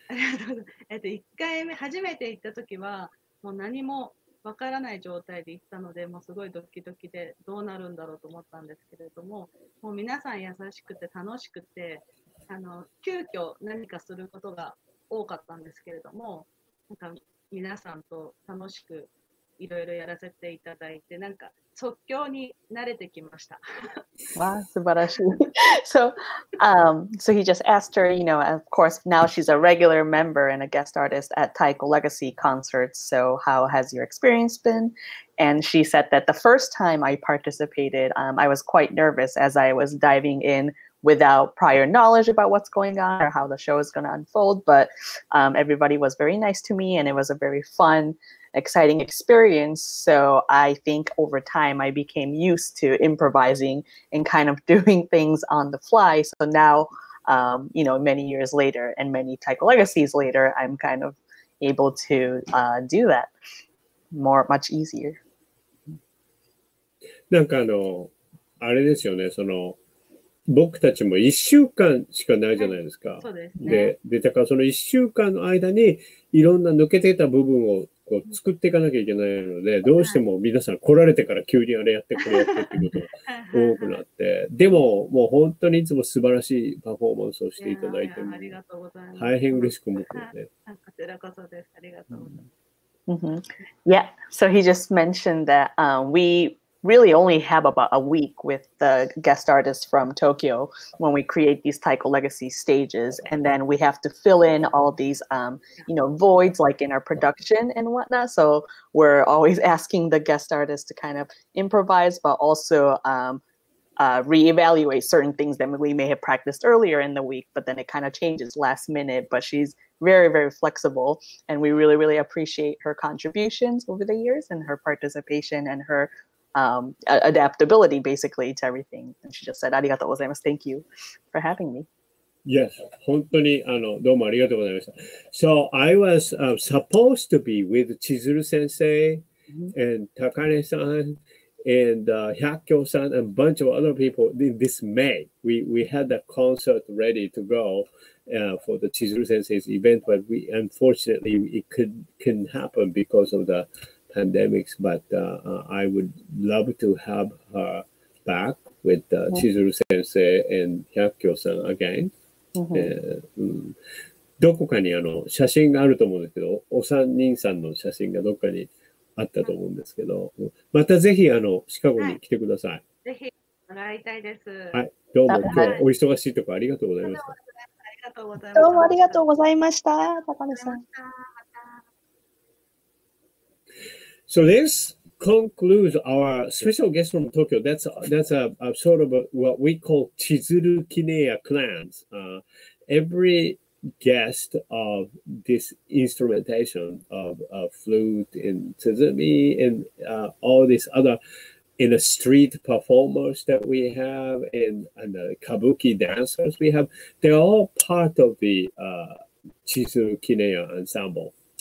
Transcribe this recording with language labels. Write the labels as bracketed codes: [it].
[ja] はい、ありがとうございます。1回目初めて行った時はもう何もわからない状態で行ったので、もうすごいドキドキでどうなるんだろうと思ったんですけれども、もう皆さん優しくて楽しくて、急遽何かすることが多かったんですけれども、なんか皆さんと楽しくいろいろやらせていただいて、なんか即興に慣れてきました。わあ、素晴らしい。 [en] So, so he just asked her, you know, of course, now she's a regular member and a guest artist at Taiko Legacy concerts. So, how has your experience been? And she said that the first time I participated, I was quite nervous as I was diving in. Without prior knowledge about what's going on or how the show is going to unfold, but everybody was very nice to me and it was a very fun, exciting experience. So I think over time I became used to improvising and kind of doing things on the fly. So now, you know, many years later and many Taiko legacies later, I'm kind of able to do that more, much easier. [ja] なんかあれですよね、その僕たちも1週間しかないじゃないですか。そうですね。で、だからその1週間の間にいろんな抜けてた部分をこう作っていかなきゃいけないので、どうしても皆さん来られてから急にあれやってこれやってっていうことが多くなって、でももう本当にいつも素晴らしいパフォーマンスをしていただいて、ありがとうございます。大変嬉しく思ってて。こちらこそです。ありがとうございます。 [en] Mm-hmm. Yeah, so he just mentioned that we... really only have about a week with the guest artists from Tokyo when we create these Taiko Legacy stages. And then we have to fill in all these, you know, voids like in our production and whatnot. So we're always asking the guest artists to kind of improvise, but also reevaluate certain things that we may have practiced earlier in the week, but then it kind of changes last minute. But she's very, very flexible. And we really, really appreciate her contributions over the years and her participation and heradaptability basically to everything. And she just said, [ja] ありがとうございます. [en] Thank you for having me. [ja] Yes, 本当にどうもありがとうございました。 [en] So I was supposed to be with Chizuru sensei and Takane-san and Hyakkyo-san and a bunch of other people in this May. We had the concert ready to go for the Chizuru sensei's event, but we unfortunately it couldn't happen because of the. Pandemics, but I would love to have her back with Chizuru sensei and Hyakkyo-san again. [ja] どこかに写真があると思うんですけど、お三人さんの写真がどこかにあったと思うんですけど、またぜひシカゴに来てください。ぜひ、もらいたいです。はい、どうも今日はお忙しいところありがとうございました。ありがとうございます。とうございました。どうもありがとうございました。高根さん。 [en] So this concludes our special guest from Tokyo. That's a sort of a, what we call Chizuru Kineya clans. Every guest of this instrumentation of flute and tsuzumi and all these other in the street performers that we have and the kabuki dancers we have, they're all part of the Chizuru Kineya ensemble.